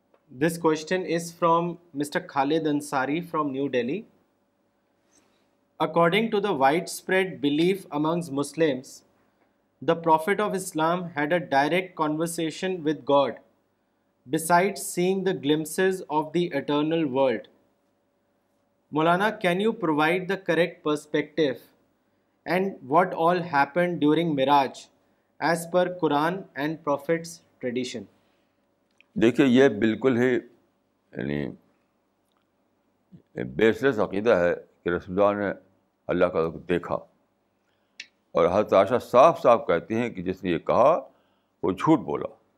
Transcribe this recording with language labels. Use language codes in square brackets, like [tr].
[en] This question is from mister Khalid Ansari from New Delhi. According to the wide spread belief amongst Muslims, the prophet of Islam had a direct conversation with God besides seeing the glimpses of the eternal world. Molana, can you provide the correct perspective and what all happened during Miraj as per Quran and prophet's tradition. [ur] دیکھیں یہ بالکل ہی یعنی بیس لیس عقیدہ ہے کہ رسول اللہ نے اللہ کا دیکھا, اور حضرت عائشہ صاف صاف کہتی ہیں کہ جس نے یہ کہا وہ جھوٹ بولا.